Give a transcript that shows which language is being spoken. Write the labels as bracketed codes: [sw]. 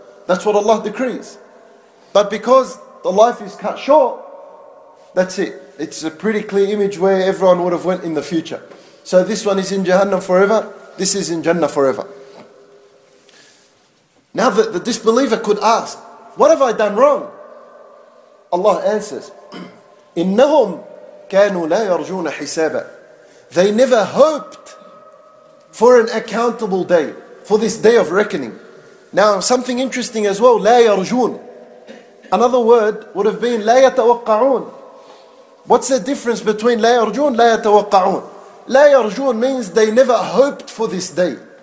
[en] That's what Allah decrees. But because the life is cut short, that's it. It's a pretty clear image where everyone would have went in the future. So this one is in Jahannam forever. This is in Jannah forever. Now the disbeliever could ask, what have I done wrong? Allah answers, [ar] إِنَّهُمْ كَانُوا لَا يَرْجُونَ حِسَابًا. [en] They never hoped for an accountable day, for this day of reckoning. Now, something interesting as well, لَا يَرْجُونَ. Another word would have been لَا يَتَوَقَّعُونَ. What's the difference between لَا يَرْجُونَ, لَا يَتَوَقَّعُونَ? لَا يَرْجُونَ means they never hoped for this day.